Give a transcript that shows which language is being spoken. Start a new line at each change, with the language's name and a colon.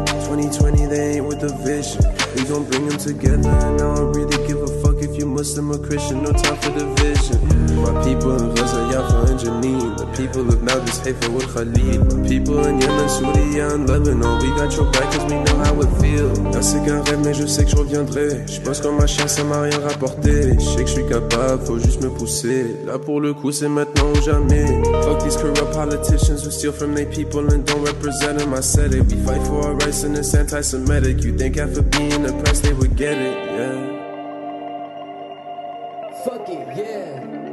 English: 2020, they ain't with the vision. We gon' bring them together, and I don't really give a fuck if you Muslim or Christian. No time for division. My people in Gaza, Yafa, and Janine. The people of Nablus, Haifa, with Khalid. My people in Yemen, Syria, and Lebanon. We got your back cause we know how it feels.
French: Là c'est qu'un rêve, mais je sais que je reviendrai. Je pense qu'en ma chance, ça m'a rien rapporté. Je sais que je suis capable, faut juste me pousser. Là pour le coup, c'est maintenant ou jamais.
English: Fuck these corrupt politicians who steal from their people and don't represent them. I said it. We fight for our rights and it's anti-Semitic. You think after being oppressed, they would get it, yeah. Fuck it, yeah.